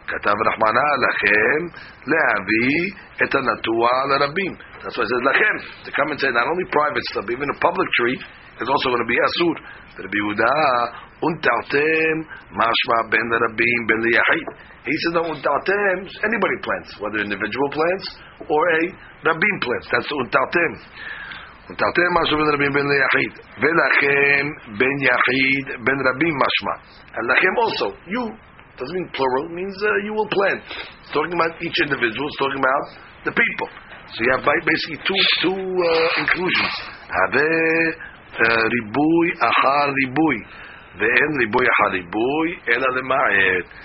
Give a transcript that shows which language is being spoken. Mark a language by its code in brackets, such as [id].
[he] כתב רחמנה לכם להביא את הנטוע לרבים. [en] That's why I said לכם. They come and say not only private stuff, even a public tree is also going to be אסור. [he] רבי יהודה, ונטעתם משמע בין לרבים בין ליחיד. [en] He said no, ונטעתם, anybody plants, whether individual plants or a רבים plants. That's ונטעתם. [he] ונטעתם משמע בין רבים בין ליחיד. ולכם בין יחיד בין רבים משמע. [en] And לכם also, you. Doesn't mean plural, it means you will plant. It's talking about each individual, it's talking about the people. So you have basically two inclusions. Have [he] ribui achar ribui. Ve'en ribui achar ribui, ela lema'et.